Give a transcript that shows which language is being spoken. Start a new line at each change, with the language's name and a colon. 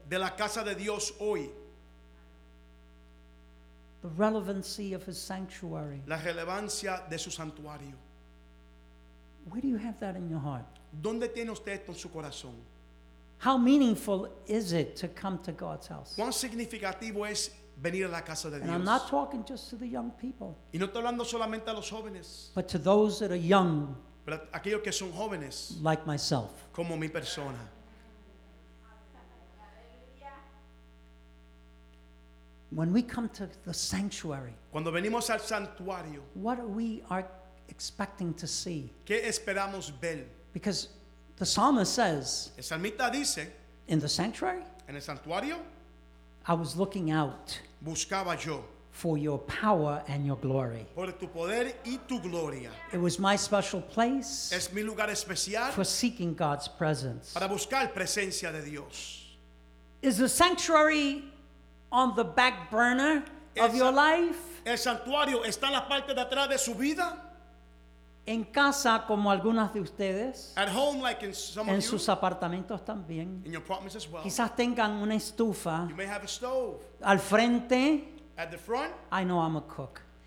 Spanish: De la casa de Dios hoy.
English: The relevancy of his sanctuary.
Spanish: La relevancia de su santuario.
English: Where do you have that in your heart?
Spanish: ¿Dónde tiene usted esto en su corazón?
English: How meaningful is it to come to God's house?
Spanish: ¿Cuán significativo es venir a la casa de
English: and
Spanish: Dios?
English: I'm not talking just to the young people.
Spanish: Y no estoy hablando solamente a los jóvenes.
English: But to those that are young.
Spanish: Pero aquellos que son jóvenes.
English: Like myself.
Spanish: Como mi persona.
English: When we come to the sanctuary,
Spanish: cuando venimos al santuario,
English: what we are expecting to see?
Spanish: ¿Qué esperamos ver?
English: Because the psalmist says,
Spanish: el salmista dice,
English: in the sanctuary,
Spanish: en el santuario,
English: I was looking out,
Spanish: buscaba yo,
English: for your power and your glory.
Spanish: Por tu poder y tu gloria.
English: It was my special place,
Spanish: es mi lugar especial,
English: for seeking God's presence.
Spanish: Para buscar presencia de Dios.
English: Is the sanctuary on the back burner of your life?
Spanish: El santuario está en la parte de atrás de su vida. En casa, como algunas de ustedes,
English: at home, like in some
Spanish: en
English: of
Spanish: sus
English: you,
Spanish: apartamentos también,
English: in your apartments as well,
Spanish: quizás tengan una estufa,
English: you may have a stove,
Spanish: al frente,
English: at the front, I know I'm a cook,